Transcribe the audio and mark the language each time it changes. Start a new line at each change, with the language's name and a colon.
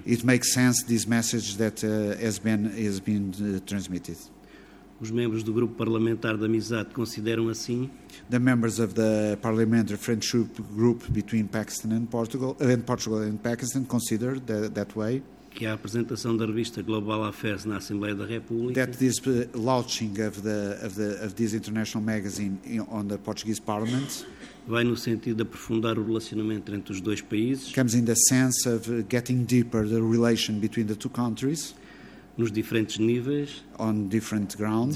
English: It makes sense this message that has been transmitted.
Portuguese: Os membros do Grupo Parlamentar de Amizade consideram assim.
English: The members of the parliamentary friendship group between Pakistan and Portugal, and Portugal and Pakistan consider that way.
Portuguese: Que a apresentação da revista Global Affairs na Assembleia da República.
English: That this launching of this international magazine on the Portuguese Parliament.
Portuguese: Vai no sentido de aprofundar o relacionamento entre os dois países.
English: Comes in the sense of getting deeper the relation between the two countries.
Portuguese: Nos diferentes níveis,
English: on different grounds,